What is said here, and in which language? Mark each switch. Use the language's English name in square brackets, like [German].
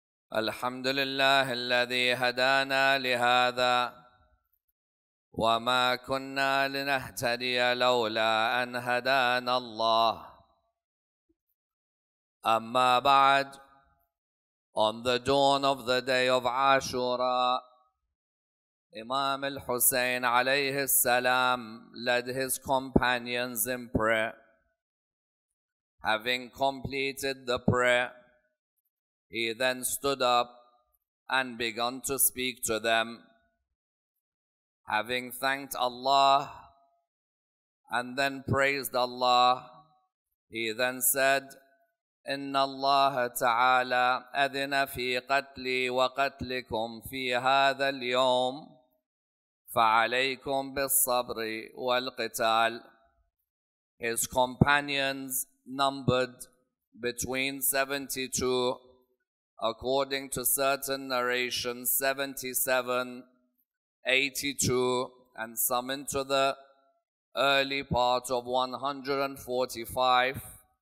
[Arabic] الحمد لله الذي هدانا لهذا وما كنا لنهتدي لولا أن هدانا الله. أما بعد, [English] on the dawn of the day of Ashura, Imam al-Hussein عليه السلام led his companions in prayer. Having completed the prayer, he then stood up and began to speak to them. Having thanked Allah and then praised Allah, he then said, [Arabic] إِنَّ اللَّهَ تَعَالَى أَذِنَ فِي قَتْلِي وَقَتْلِكُمْ فِي هَذَا الْيَوْمِ فَعَلَيْكُمْ بِالصَّبْرِ وَالْقِتَالِ. [English] His companions numbered between 72, according to certain narrations, 77, 82, and some into the early part of 145.